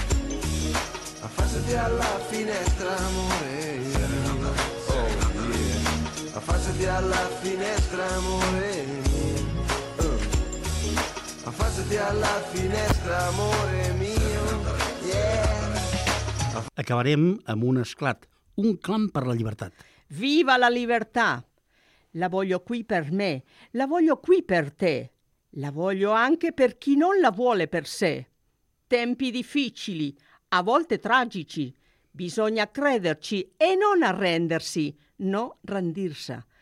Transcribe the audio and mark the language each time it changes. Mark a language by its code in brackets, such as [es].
[it] Affacciati alla finestra, amore mio. [en] Oh yeah. [it] Affacciati alla finestra, amore mio. Affacciati alla finestra, amore mio. [en] Yeah. [ca] Acabarem amb un esclat, un clam per la llibertat. [it] Viva la libertà! La voglio qui per me, la voglio qui per te, la voglio anche per chi non la vuole per sé. Tempi difficili, a volte tragici, bisogna crederci e non arrendersi, no rendirsi.